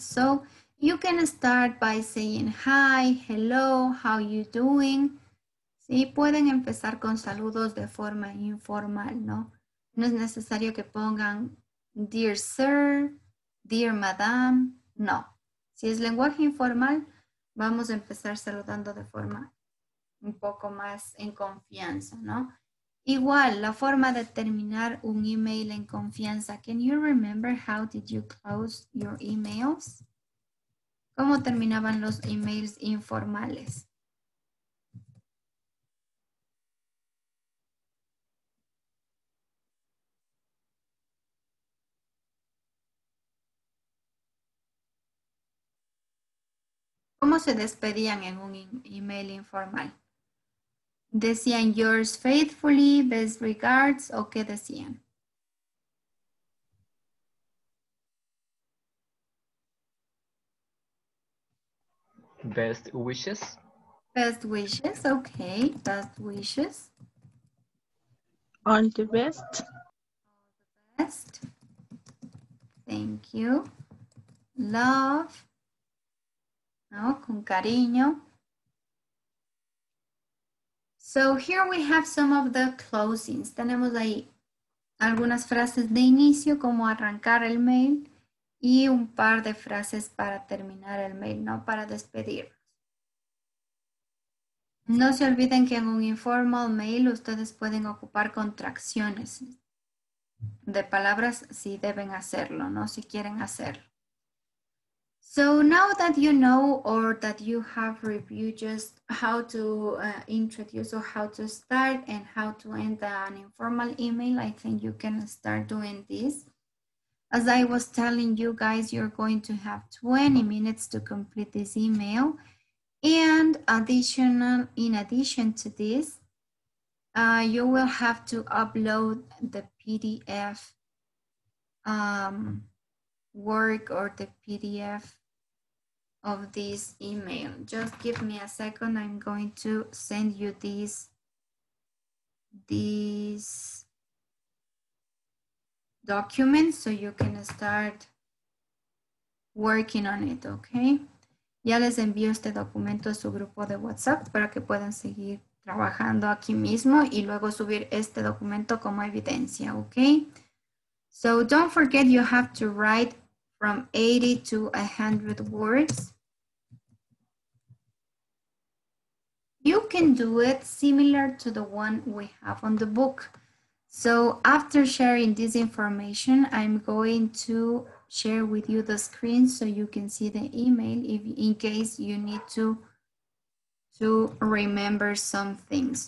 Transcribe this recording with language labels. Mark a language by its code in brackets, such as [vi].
[en] So you can start by saying hi, hello, how you doing. [es] Sí, pueden empezar con saludos de forma informal, ¿no? No es necesario que pongan [en] dear sir, dear madam, [es] no. Si es lenguaje informal, vamos a empezar saludando de forma un poco más en confianza, ¿no? Igual, la forma de terminar un email en confianza. [en] Can you remember how did you close your emails? [es] ¿Cómo terminaban los emails informales? ¿Cómo se despedían en un email informal? ¿Decían [en] yours faithfully, best regards [es] o qué decían? [en] Best wishes. Best wishes, okay. Best wishes. All the best. All the best. Thank you. Love. [es] No, con cariño. [en] So here we have some of the closings. [es] Tenemos ahí algunas frases de inicio, como arrancar el mail, y un par de frases para terminar el mail, no para despedirnos. No se olviden que en un informal mail ustedes pueden ocupar contracciones de palabras si deben hacerlo, no si quieren hacerlo. [en] So now that you know or that you have reviewed just how to introduce or how to start and how to end an informal email, I think you can start doing this. As I was telling you guys, you're going to have 20 minutes to complete this email. And in addition to this, you will have to upload the PDF work or the PDF of this email. Just give me a second. I'm going to send you this document so you can start working on it, okay? [es] Ya les envío este documento a su grupo de WhatsApp para que puedan seguir trabajando aquí mismo y luego subir este documento como evidencia, okay? [en] So don't forget you have to write from 80 to 100 words. You can do it similar to the one we have on the book. So after sharing this information, I'm going to share with you the screen so you can see the email if, in case you need to remember some things.